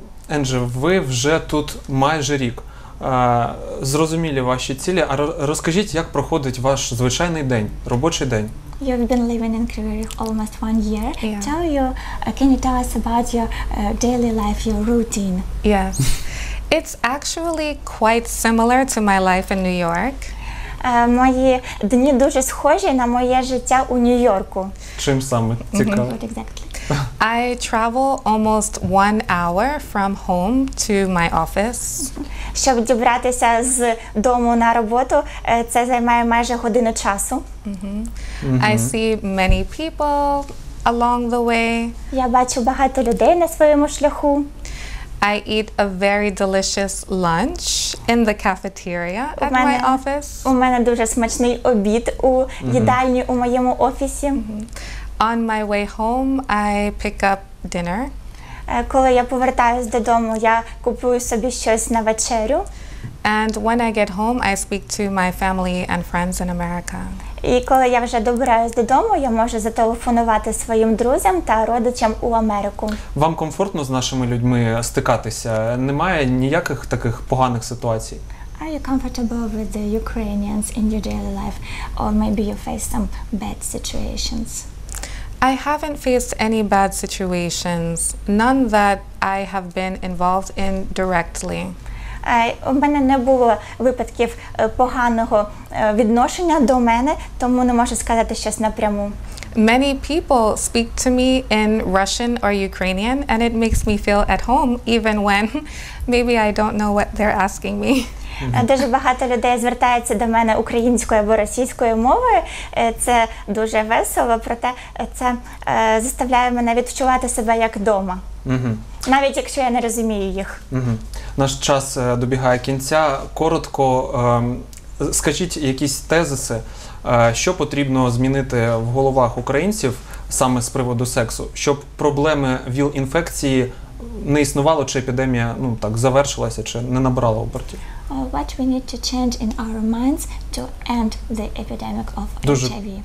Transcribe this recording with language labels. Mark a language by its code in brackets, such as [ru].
[uk] Енджі, ви вже тут майже рік. Зрозумілі ваші цілі, а розкажіть, як проходить ваш звичайний день, робочий день? [en] You've been living in Kriver Rih almost 1 year. Yeah. Tell you, can you tell us about your daily life, your routine? Yes. It's actually quite similar to my life in New York. [uk] Мої дні дуже схожі на моє життя у Нью-Йорку. Чим саме цікаво? [en] What exactly? I travel almost 1 hour from home to my office. [uk] Щоб дібратися з дому на роботу, це займає майже годину часу. [en] I see many people along the way. [uk] Я бачу багато людей на своєму шляху. [en] I eat a very delicious lunch in the cafeteria at my office. [uk] У мене дуже смачний обід у їдальні у моєму офісі. [en] On my way home, I pick up dinner. [uk] Коли я повертаюсь додому, я купую собі щось на вечерю. [en] And when I get home, I speak to my family and friends in America. [uk] І коли я вже добираюсь додому, я можу зателефонувати своїм друзям та родичам у Америку. Вам комфортно з нашими людьми стикатися? Немає ніяких таких поганих ситуацій? [en] Are you comfortable with the Ukrainians in your daily life? Or maybe you face some bad situations? I haven't faced any bad situations. None that I have been involved in directly. [uk] У мене не було випадків поганого відношення до мене, тому не можу сказати щось напряму. [en] Many people speak to me in Russian or Ukrainian, and it makes me feel at home, even when maybe I don't know what they're asking me. [uk] Дуже багато людей звертається до мене українською або російською мовою. Це дуже весело, проте це заставляє мене відчувати себе як вдома. Навіть якщо я не розумію їх. Наш час добігає кінця. Коротко, скажіть якісь тезиси, що потрібно змінити в головах українців саме з приводу сексу, щоб проблеми ВІЛ-інфекції не існувало, чи епідемія, ну, так, завершилася, чи не набрала обертів? [en] What we need to change in our minds to end the epidemic of HIV?